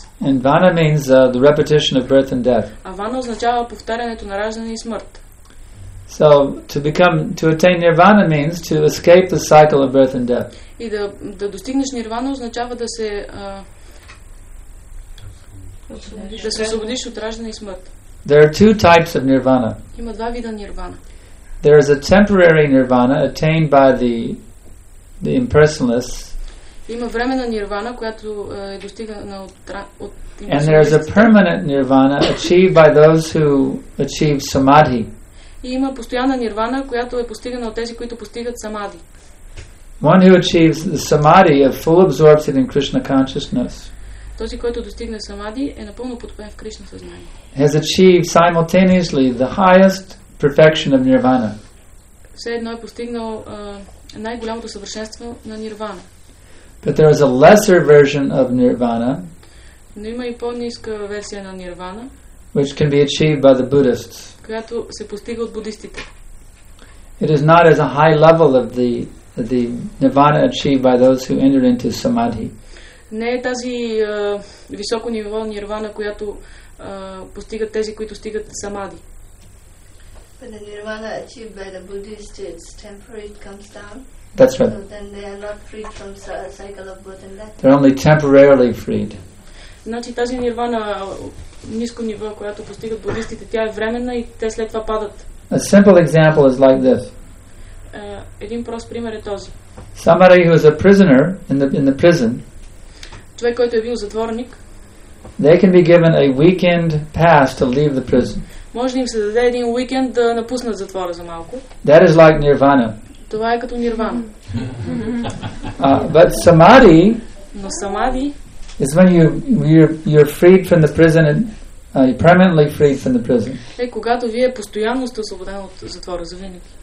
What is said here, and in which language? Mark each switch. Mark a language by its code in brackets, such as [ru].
[en] And vana means the repetition of birth and death. [bg] А вана означава повтарянето на раждане и смърт. [en] So to attain nirvana means to escape the cycle of birth and death. [bg] И да достигнеш нирвана означава да се освободиш от раждане и смърт. [en] There are two types of nirvana. [bg] Има два вида нирвана. [en] There is a temporary nirvana attained by the impersonalists. [bg] Има времена нирвана, която е достигана от [en] And there is a permanent nirvana achieved by those who achieve samadhi. [bg] И има постоянна нирвана, която е постигана от тези, които постигат самади. [en] One who achieves the samadhi of full absorption in Krishna consciousness. [bg] Този, който достигне самади, е напълно потопен в Кришна съзнание. [en] Has achieved simultaneously the highest perfection of nirvana. [bg] Все едно е постигнал най-голямото съвършенство на нирвана. [en] But there is a lesser version of nirvana. [bg] Но има и по-ниска версия на нирвана, [en] which can be achieved by the Buddhists. [bg] Която се постига от будистите. [en] It is not as a high level of the nirvana achieved by those who enter into samadhi. [bg] Не е тази високо ниво нирвана, която постигат тези, които стигат самади. [en] But the nirvana achieved by the Buddhists, it's temporary, it comes down. That's right. So then they are not freed from cycle of birth and death. They're only temporarily freed. [bg] Значи тази нирвана ниско ниво, която постигат будистите, тя е временна и те след това падат. [en] A simple example is like this. [bg] Един прост пример е този. [en] Somebody who is a prisoner in the prison. [bg] Човек, който е бил затворник. [en] They can be given a weekend pass to leave the prison. [bg] Може да им се даде един уикенд да напуснат затвора за малко. [en] That is like nirvana. [bg] Това е като нирвана. [en] But samadhi. [bg] Но самади. [en] Is when you're freed from the prison and permanently freed from the prison. [bg] Е когато вие постоянно сте освободен от затвора за винаги.